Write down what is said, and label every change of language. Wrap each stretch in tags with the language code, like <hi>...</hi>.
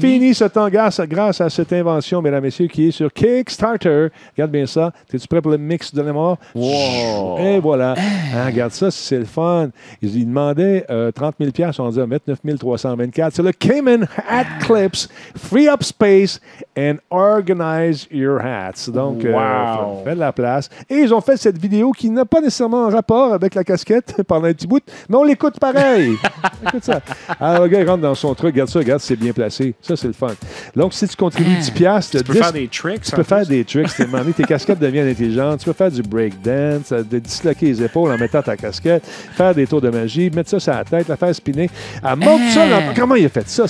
<fr>Fini ce temps grâce à cette invention, mesdames et messieurs, qui est sur Kickstarter. Regarde bien ça. T'es-tu prêt pour le mix de la mort? Wow! Et voilà. Hey. Hein, regarde ça, c'est le fun. Ils demandaient 30 000 piastres, on va dire 29 324. C'est le Cayman Hat Clips.</fr> <en>Free up space and organize your hats.</en> <fr>Donc, fait de la place. Et ils ont fait cette vidéo qui n'a pas nécessairement un rapport avec la casquette pendant un petit bout, mais on l'écoute pareil. Écoute ça. Alors, le gars, il rentre dans son truc. Regarde ça, regarde, c'est bien placé. Ça, c'est le fun. Donc, si tu contribues 10 piastres... Tu peux faire des tricks. T'es mané, tes casquettes deviennent intelligentes. Tu peux faire du breakdance, de disloquer les épaules en mettant ta casquette, faire des tours de magie, mettre ça sur la tête, la faire spinner. Comment il a fait ça?</fr>